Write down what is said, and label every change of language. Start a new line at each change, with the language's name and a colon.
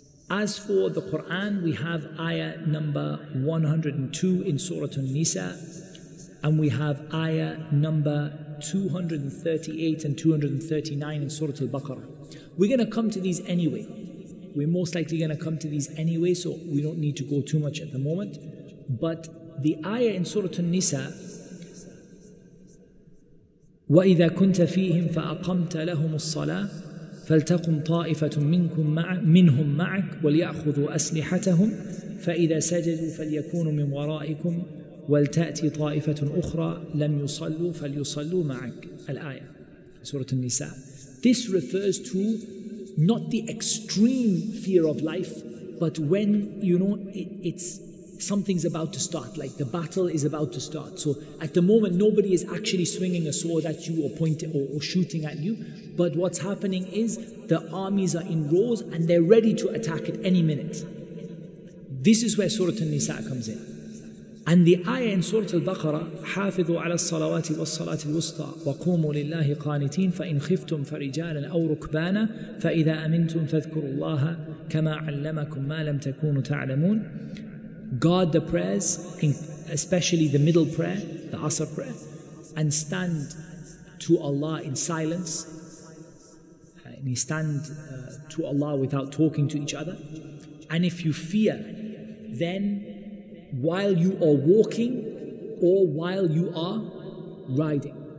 English: As for the Quran, we have ayah number 102 in Surah An-Nisa, and we have ayah number 238 and 239 in Surah Al-Baqarah. We're going to come to these anyway. We're most likely going to come to these anyway, so we don't need to go too much at the moment. But the ayah in Surah An-Nisa,
Arabic: وَإِذَا كُنْتَ فِيهِمْ فَأَقَمْتَ لَهُمُ الصَّلَاةِ فَلْتَقُمْ طَائِفَةٌ مِّنْهُمْ مَعَكَ وَلْيَأْخُذُوا أَسْلِحَتَهُمْ فَإِذَا سَجَدُوا فَلْيَكُونُوا مِنْ وَرَائِكُمْ وَلْتَأْتِي طَائِفَةٌ أُخْرَى لَمْ يُصَلُّوا فَلْيُصَلُّوا مَعَكَ الآيَة سورة النساء.
English: This refers to not the extreme fear of life, but when, you know, it's something's about to start, like the battle is about to start. So at the moment, nobody is actually swinging a sword at you or pointing or shooting at you. But what's happening is the armies are in rows and they're ready to attack at any minute. This is where Surah An-Nisa comes in. And the ayah in Surah Al-Baqarah,
Arabic: حَافِظُوا عَلَى الصَّلَوَاتِ وَالصَّلَاةِ الْوُسْطَى وَقُومُوا لِلَّهِ قَانِتِينَ فَإِنْ خِفْتُمْ فَرِجَالًا أَوْ رُكْبَانًا فَإِذَا أَمِنْتُمْ فَاذْكُرُوا اللَّهَ كَمَا عَلَّمَكُمْ مَا لَمْ تَكُونُوا تَعْلَمُونَ.
English: Guard the prayers, especially the middle prayer, the Asr prayer, and stand to Allah in silence. And you stand to Allah without talking to each other. And if you fear, then while you are walking or while you are riding.